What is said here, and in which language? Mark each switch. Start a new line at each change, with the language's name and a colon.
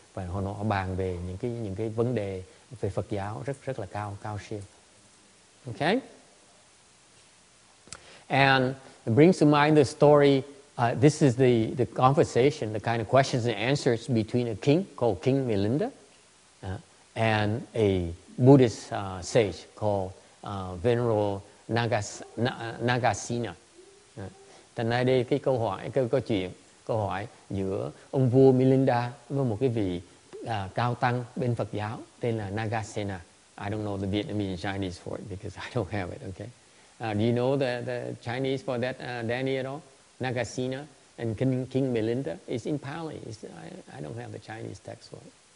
Vietnamese: Và họ nói bàn về những cái vấn đề về Phật giáo rất rất là cao siêu.
English: Okay. And it brings to mind the story, this is the conversation, the kind of questions and answers between a king called King Milinda and a Buddhist sage called Venerable Nagasena.
Vietnamese: Thành nay đây cái câu hỏi giữa ông vua Milinda với một cái vị cao tăng bên Phật giáo tên là Nagasena.
English: I don't know the Vietnamese Chinese for it because I don't have it. Okay. Do you know the Chinese for that, Danny, at all? Nagasena and King Milinda is in Pali. I don't have the Chinese text for it.